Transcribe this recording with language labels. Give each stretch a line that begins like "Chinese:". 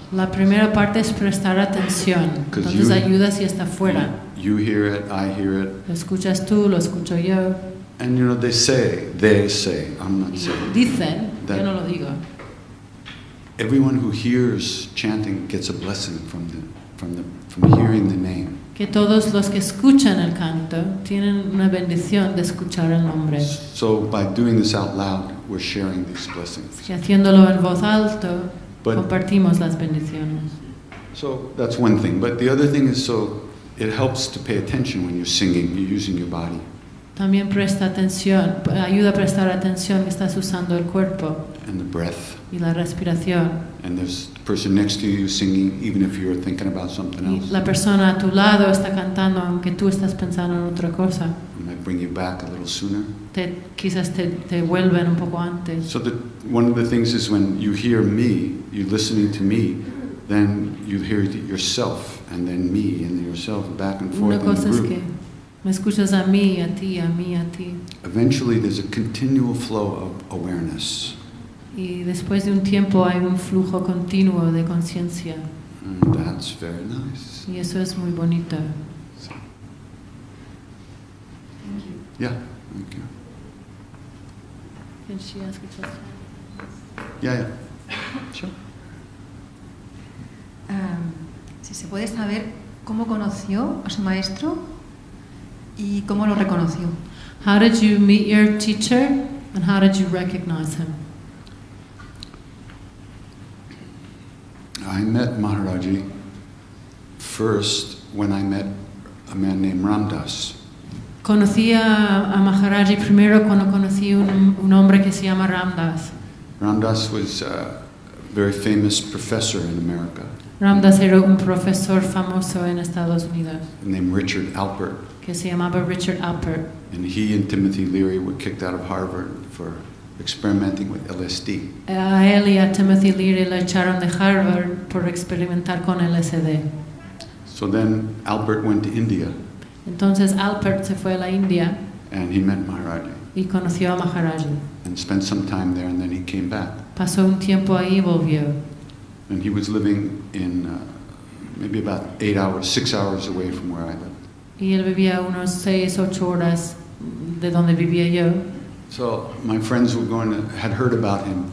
Spanish: La primera parte es prestar atención. Entonces ayuda si está fuera.
English: You hear it, I hear it.
Spanish: Lo escuchas tú, lo escucho yo.
English: And you know they say. I'm not saying.
Spanish: Dicen. Yo no lo digo.
English: Everyone who hears chanting gets a blessing from hearing the name.
Spanish: Que todos los que escuchan el canto tienen una bendición de escuchar el nombre.
English: So by doing this out loud, we're sharing these blessings.
Spanish: Si haciéndolo en voz alto,
English: but
Spanish: compartimos las bendiciones.
English: So that's one thing. But the other thing is, so it helps to pay attention when you're singing. You're using your body.
Spanish: También presta atención, ayuda a prestar atención que estás usando el cuerpo.
English: And the breath.
Spanish: Y la respiración.
English: And there's the person next to you singing, even if you're thinking about something else.
Spanish: La persona a tu lado está cantando aunque tú estás pensando en otra cosa.
English: It might bring you back a little sooner.
Spanish: Quizás te vuelven un poco antes.
English: So one of the things is when you hear me, you're listening to me, then you hear it yourself, and then me, and then yourself, back and forth.
Spanish: Una cosa
English: in the
Spanish: es que me escuchas a mí, a ti, a mí, a ti.
English: Eventually, there's a continual flow of awareness.
Spanish: Y después de un tiempo hay un flujo continuo de conciencia.
English: That's very nice.
Spanish: Y eso es muy bonito.
English: Thank you. Can she ask a question? Yeah. Sure.
Spanish: Si se puede saber cómo conoció a su maestro y cómo lo reconoció.
English: How did you meet your teacher and how did you recognize him? I met Maharajji first when I met a man named Ramdas.
Spanish: Conocí a Maharajji primero cuando conocí un hombre que se llama Ramdas.
English: Ramdas was a very famous professor in America.
Spanish: Ramdas era un profesor famoso en Estados Unidos.
English: Named Richard Alpert.
Spanish: Que se llamaba Richard Alpert.
English: And he and Timothy Leary were kicked out of Harvard for experimenting with LSD.
Spanish: A él y a Timothy Leary lo echaron de Harvard por experimentar con LSD.
English: So then Alpert went to India.
Spanish: Entonces Alpert se fue a la India.
English: And he met Maharajji.
Spanish: Y conoció a Maharajji.
English: And spent some time there and then he came back.
Spanish: Pasó un tiempo ahí y volvió.
English: And he was living in maybe about 8 hours, 6 hours away from where I lived.
Spanish: Y él vivía unos 6-8 horas de donde vivía yo.
English: So my friends were going to, had heard about him.